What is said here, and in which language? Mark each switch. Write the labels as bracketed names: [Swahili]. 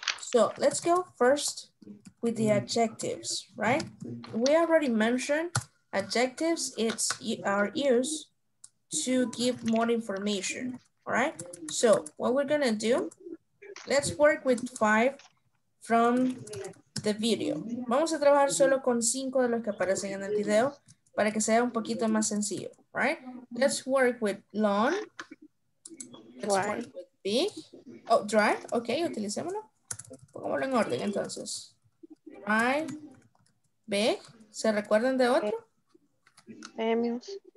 [English] So let's go first with the adjectives, right? We already mentioned adjectives, it's our use to give more information, all right? So what we're gonna do, let's work with five from the video. [Spanish] Vamos a trabajar solo con cinco de los que aparecen en el video para que sea un poquito más sencillo, right? [English] Let's work with long, let's work with big. Oh, dry, okay, [Spanish] utilicémoslo. Pongámoslo en orden entonces. [English] Dry, big. [Spanish] ¿Se recuerdan de otro? [English] Famous.